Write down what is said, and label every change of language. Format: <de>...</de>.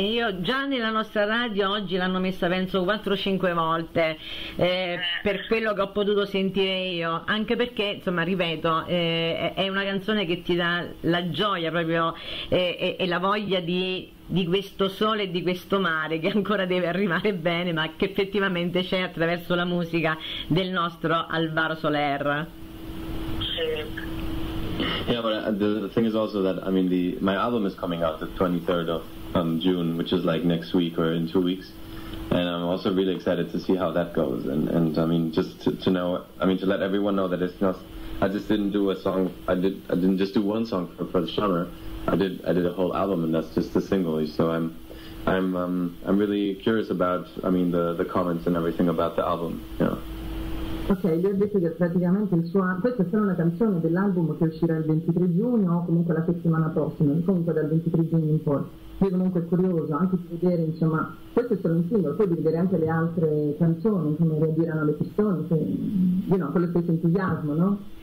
<it>Io già nella nostra radio oggi l'hanno messa penso 4-5 volte, per quello che ho potuto sentire io, anche perché, insomma, ripeto, è una canzone che ti dà la gioia proprio e la voglia di questo sole e di questo mare che ancora deve arrivare bene, ma che effettivamente c'è attraverso la musica del nostro Alvaro Soler. Sì.</it> <en>Yeah, but the thing is also that, I mean, my album is coming out the 23rd of June, which is like next week or in 2 weeks, and I'm also really excited to see how that goes, and I mean, just to know, I mean, to let everyone know that it's not, I didn't just do one song for the summer, I did a whole album, and that's just a single, so I'm really curious about, I mean, the comments and everything about the album, you know.</en> <it>Ok, gli ho detto che praticamente questa sarà una canzone dell'album che uscirà il 23 giugno o comunque la settimana prossima, comunque dal 23 giugno in poi. Io comunque è curioso anche di vedere, insomma, questo è solo un singolo, poi di vedere anche le altre canzoni, come reagiranno le persone, che,</it> <en>you know,</en> <it>con lo stesso entusiasmo, no?</it>